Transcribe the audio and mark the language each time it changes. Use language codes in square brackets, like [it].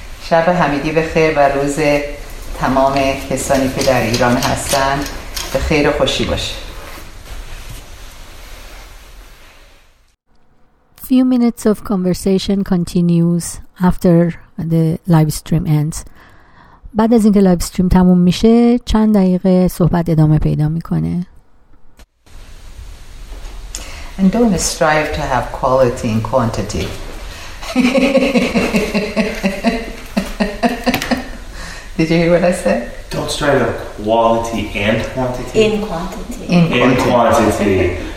[fa] شب حمیدی بخیر و روز تمام کسانی که در ایران هستن به خیر و خوشی باشه. [en] Few minutes of conversation continues after the live stream ends. [fa] بعد از اینکه live stream تموم میشه چند دقیقه صحبت ادامه پیدا میکنه. [en] And don't strive to have quality and quantity. Yeah. Did you hear what I said? Don't strive for quality and quantity. In quantity. In quantity.